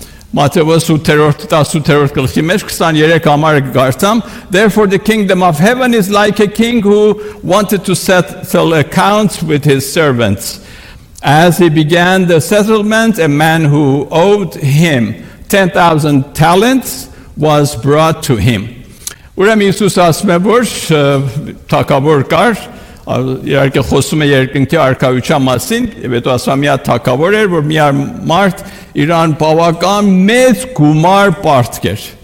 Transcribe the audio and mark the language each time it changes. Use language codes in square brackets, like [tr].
[hy] Մատթեոս 8:18 գլխի մեջ 23 համարը կգարցամ, [en] Therefore the kingdom of heaven is like a king who wanted to settle accounts with his servants. As he began the settlement, a man who owed him 10,000 talents was brought to him. [hy] Ուրեմ Հիսուս ասում է, որ թագավոր կար, իհարկե խոսում է երկնքի արքայության մասին, և հետո ասում է մի հատ թագավոր էր, որ մի հատ մարդ իրան բավական մեծ գումար պարտք էր,